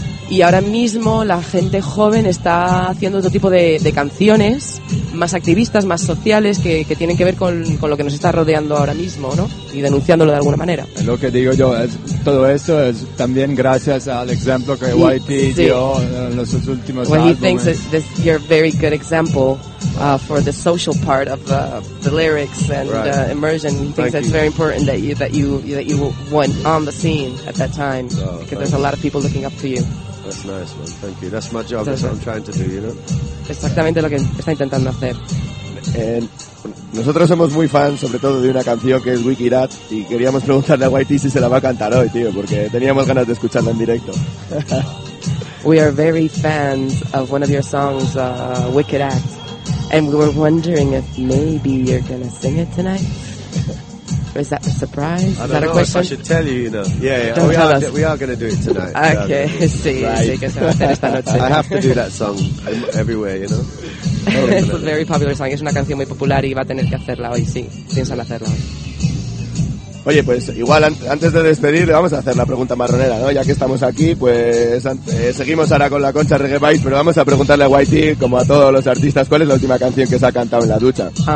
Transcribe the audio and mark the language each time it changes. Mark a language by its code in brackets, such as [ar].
[es] Y ahora mismo la gente joven está haciendo otro tipo de canciones, más activistas, más sociales, que tienen que ver con lo que nos está rodeando ahora mismo, ¿no? Y denunciándolo de alguna manera. Lo que digo yo es, todo esto es también gracias al ejemplo que Whitey dio en los últimos [en] Well, he thinks that you're a very good example for the social part of the lyrics and immersion. He thinks that's very important that you went on the scene at that time, because there's a lot of people looking up to you. That's nice, man. Thank you. That's my job. That's what I'm trying to do, you know? [es] Exactamente lo que está intentando hacer. Nosotros somos muy fans, sobre todo, de una canción que es Wicked Rat, y queríamos preguntarle a Whitey si se la va a cantar hoy, tío, porque teníamos ganas de escucharla en directo. [en] We are very fans of one of your songs, Wicked Rat, and we were wondering if maybe you're going to sing it tonight. Is that a surprise? I don't know, question? If I should tell you, you know. Yeah, yeah. Don't we tell are us. We are going to do it tonight. Okay, see. Right. I have to do that song everywhere, you know. It's a very popular song. [es] Es una canción muy popular y va a tener que hacerla hoy, sí. Piensa en hacerla hoy. Oye, pues igual antes de despedir le vamos a hacer la pregunta marronera, ¿no? Ya que estamos aquí, pues seguimos ahora con la concha Reggae Bites, pero vamos a preguntarle a Whitey, como a todos los artistas, ¿cuál es la última canción que se ha cantado en la ducha?